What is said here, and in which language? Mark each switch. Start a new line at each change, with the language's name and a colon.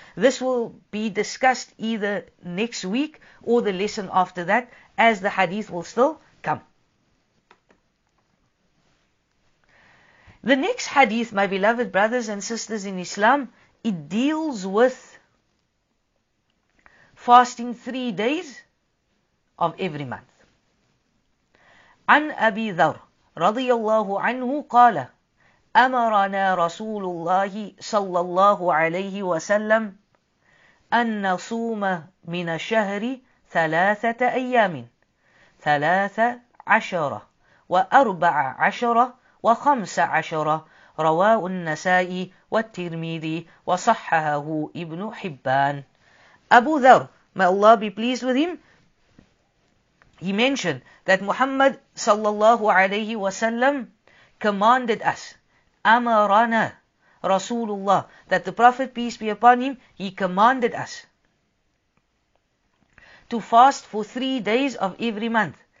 English: This will be discussed either next week or the lesson after that, as the hadith will still come. The next hadith, my beloved brothers and sisters in Islam, it deals with fasting 3 days of every month.
Arabic: An Abi Dhar, radiyallahu anhu, qala, أمرنا رسول الله صلى الله عليه وسلم أن نصوم من الشهر 3 أيام 13 و14 و15. رواه النسائي والترمذي وصححه ابن حبان.
English: أبو ذر, may Allah be pleased with him, he mentioned that Muhammad صلى الله عليه وسلم commanded us,
Arabic: Amarana Rasulullah,
English: that the Prophet, peace be upon him, he commanded us to fast for 3 days of every month.